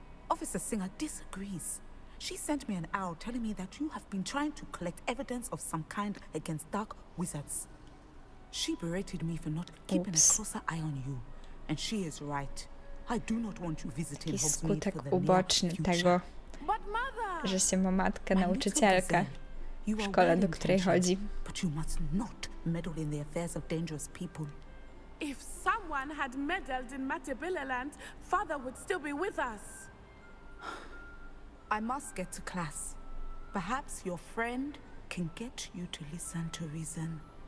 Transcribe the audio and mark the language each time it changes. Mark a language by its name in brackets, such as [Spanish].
[English] Officer Singer disagrees. She sent me an owl telling me that you have been trying to collect evidence of some kind against dark wizards. She berated me for not keeping a closer eye on you. And she is right. I do not want you visiting Hogsmeade for the near future. [Polish] Jaki skutek uboczny tego, [English] but mother, [Polish] że się ma matkę nauczycielkę w szkole, do której chodzi. [English] But you must not meddle in the affairs of dangerous people. If someone had meddled in Matabililand, father would still be with us. I must get to class. Perhaps your friend can get you to listen to reason.